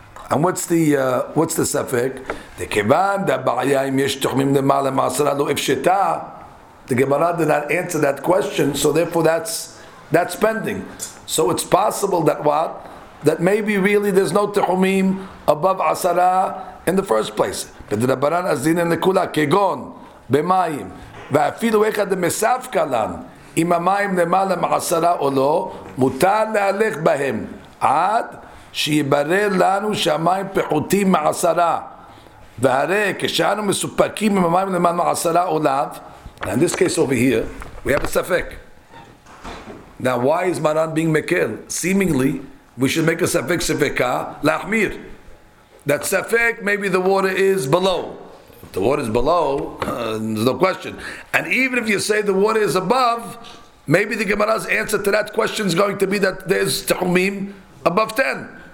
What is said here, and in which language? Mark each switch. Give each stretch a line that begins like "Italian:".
English: And what's the sefek?
Hebrew: The kevan da ba'ayim yesh tuchmim lemala ma'asara lo efsheta.
English: The Gemara did not answer that question, so therefore that's pending. So it's possible that what? That maybe really there's no tuchmim above asara in the first place. But the rabbanan azin and nekula kegon b'mayim.
Hebrew: ואפילו אחד מסף קלן, אם המים למעלה מעשרה או לא, מותר להלך בהם, עד שיברר לנו שהמים פחותים מעשרה. והרי כשאנו מסופקים עם המים למעלה מעשרה או לאו,
English: in this case over here, we have a ספק. Now why is Maran being מקל? Seemingly, we should make a ספק ספקה להחמיר. That ספק, maybe the water is below. The water is below, there's no question. And even if you say the water is above, maybe the Gemara's answer to that question is going to be that there's tachumim above 10.